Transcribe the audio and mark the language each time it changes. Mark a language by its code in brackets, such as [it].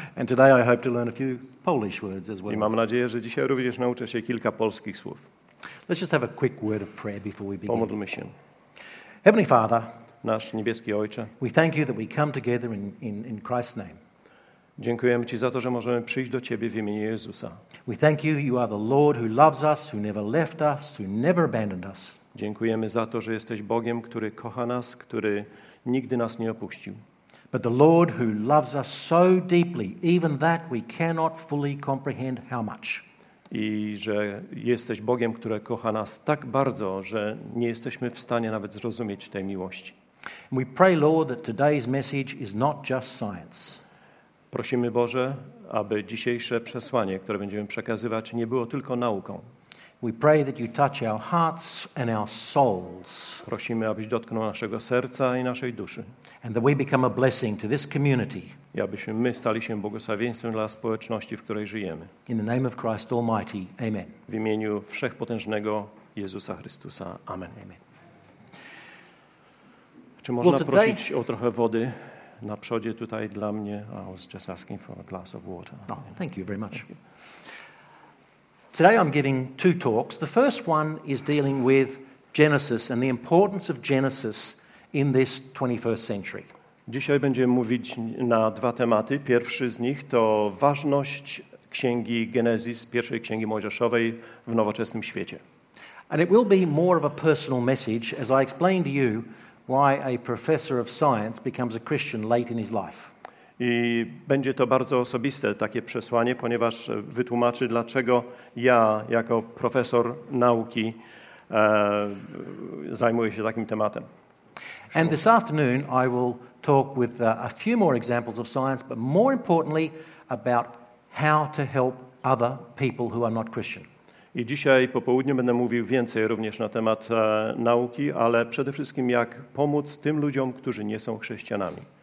[en] And today I hope to learn a few Polish words as well. [pl] I mam nadzieję, że dzisiaj również nauczę się kilka polskich słów. [en] Let's just have a quick word of prayer before we begin. [pl] Pomódlmy się. [en] Heavenly Father, [pl] nasz niebieski Ojcze, [en] we thank you that we come together in Christ's name. [pl] Dziękujemy ci za to, że możemy przyjść do ciebie w imieniu Jezusa. [en] We thank you that you are the Lord who loves us, who never left us, who never abandoned us. [pl] Dziękujemy za to, że jesteś Bogiem, który kocha nas, który nigdy nas nie opuścił. [en] But the Lord who loves us so deeply, even that we cannot fully comprehend how much. [pl] I że jesteś Bogiem, który kocha nas tak bardzo, że nie jesteśmy w stanie nawet zrozumieć tej miłości. [en] And we pray, Lord, that today's message is not just science. [pl] Prosimy Boże, aby dzisiejsze przesłanie, które będziemy przekazywać, nie było tylko nauką. [en] We pray that you touch our hearts and our souls. [pl] Prosimy, abyś dotknął naszego serca i naszej duszy. [en] And that we become a blessing to this community. [pl] I abyśmy my stali się błogosławieństwem dla społeczności, w której żyjemy. [en] In the name of Christ Almighty, amen. [pl] W imieniu wszechpotężnego Jezusa Chrystusa, amen. Amen. Czy można prosić o trochę wody na przodzie tutaj dla mnie? [en] I was just asking for a glass of water. Oh, thank you very much. Today I'm giving two talks. The first one is dealing with Genesis and the importance of Genesis in this 21st century. [pl] Dzisiaj będziemy mówić na dwa tematy. Pierwszy z nich to ważność księgi Genesis, pierwszej księgi Mojżeszowej w nowoczesnym świecie. [en] And it will be more of a personal message as I explain to you why a professor of science becomes a Christian late in his life. [pl] I będzie to bardzo osobiste takie przesłanie, ponieważ wytłumaczy, dlaczego ja jako profesor nauki zajmuję się takim tematem. [en] And this afternoon I will talk with a few more examples of science, but more importantly about how to help other people who are not Christian. [pl] I dzisiaj po południu będę mówił więcej również na temat nauki, ale przede wszystkim jak pomóc tym ludziom, którzy nie są chrześcijanami.